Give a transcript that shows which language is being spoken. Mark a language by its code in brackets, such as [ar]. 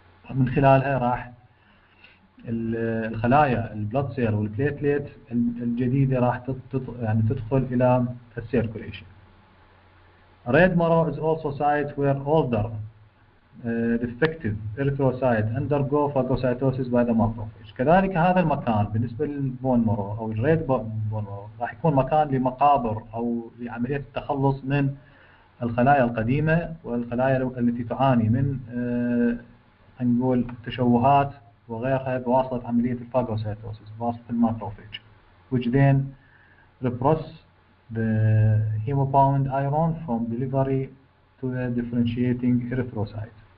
[ar] من خلالها راح الخلايا البلد سيل والبليتليت الجديدة راح يعني تدخل إلى السيركوليشن. [en] Red marrow is also site where older defective erythrocyte undergo phagocytosis by the macrophage. [ar] كذلك هذا المكان بالنسبة للبون مارو أو الريد بون مارو راح يكون مكان لمقابر أو لعملية التخلص من الخلايا القديمة والخلايا التي تعاني من نقول تشوهات وغيرها بواسطة عملية الفاجوسيتوسيس بواسطة الماكروفيج [en] which then repress the hemobound iron from delivery to the differentiating erythrocyte.